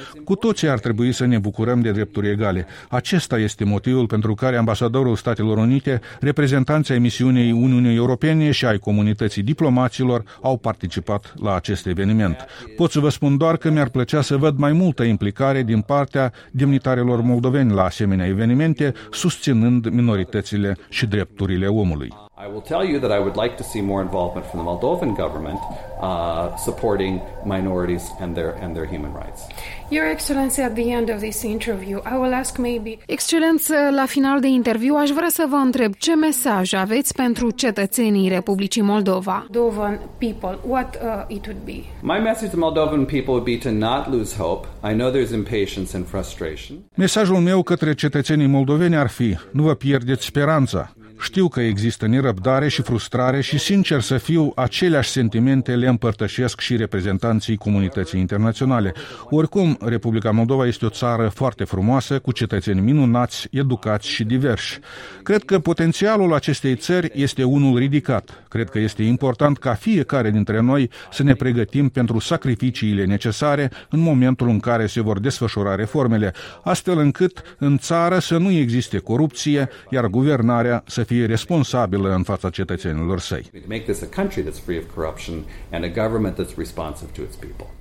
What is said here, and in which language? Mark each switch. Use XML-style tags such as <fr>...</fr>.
<ro>Cu toții ar trebui să ne bucurăm de drepturi egale. Acesta este motivul pentru care ambasadorul Statelor Unite, reprezentanții misiunii Uniunii Europene și ai comunității diplomaților au participat la acest eveniment. Pot să vă spun doar că mi-ar plăcea să văd mai multă implicare din partea demnitarilor moldoveni la asemenea evenimente, susținând minoritățile și drepturile omului.</ro> <en>I will tell you that I would like to see more involvement from the Moldovan government supporting minorities and their human rights. Your Excellency, at the end of this interview, I will ask maybe...</en> <ro>Excelență, la final de interviu, aș vrea să vă întreb ce mesaj aveți pentru cetățenii Republicii Moldova.</ro> <en>Moldovan people, what it would be? My message to Moldovan people would be to not lose hope. I know there's impatience and frustration.</en> <ro>Mesajul meu către cetățenii moldoveni ar fi: nu vă pierdeți speranța. Știu că există nerăbdare și frustrare și, sincer să fiu, aceleași sentimente le împărtășesc și reprezentanții comunității internaționale. Oricum, Republica Moldova este o țară foarte frumoasă, cu cetățeni minunați, educați și diverși. Cred că potențialul acestei țări este unul ridicat. Cred că este important ca fiecare dintre noi să ne pregătim pentru sacrificiile necesare în momentul în care se vor desfășura reformele, astfel încât în țară să nu existe corupție, iar guvernarea să fie responsabilă în fața cetățenilor săi.</ro> <en>Make this a country that's free of corruption and a government that's responsive to its people.</en>